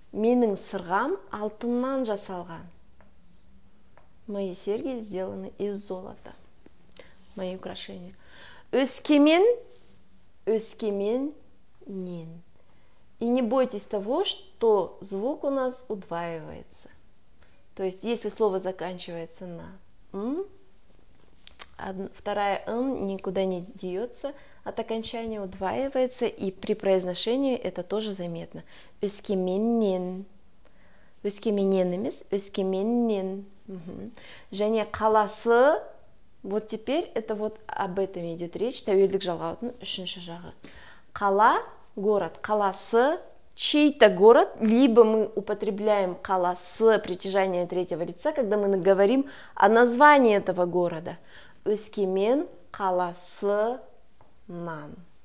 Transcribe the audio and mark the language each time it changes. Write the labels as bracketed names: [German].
[Kazakh] Менің сырғам алтыннан жасалған. [Russian] Мои серьги сделаны из золота. Мои украшения. [Kazakh] Өскемен, өскемен нен. [Russian] И не бойтесь того, что звук у нас удваивается. То есть, если слово заканчивается на «м», вторая «н» никуда не деется, от окончания удваивается, и при произношении это тоже заметно. [Kazakh] «Өскеменнен». «Өскеменнен» емес, «өскеменнен». Және «қаласы». [Russian] Вот теперь это вот об этом идет речь. [Kazakh] Тәуелдік жалғаудың үшінші жағы. «Қала». [Russian] Город, каласы, чей-то город, либо мы употребляем каласы, притяжение третьего лица, когда мы говорим о названии этого города. [Kazakh] Өскемен каласы нан.